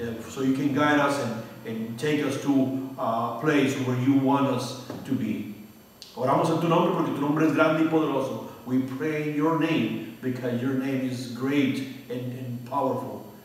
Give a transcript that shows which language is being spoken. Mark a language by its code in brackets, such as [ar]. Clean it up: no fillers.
[en] So you can guide us and take us to a place where you want us to be. [es] Oramos en tu nombre porque tu nombre es grande y poderoso. [en] We pray in your name because your name is great and powerful.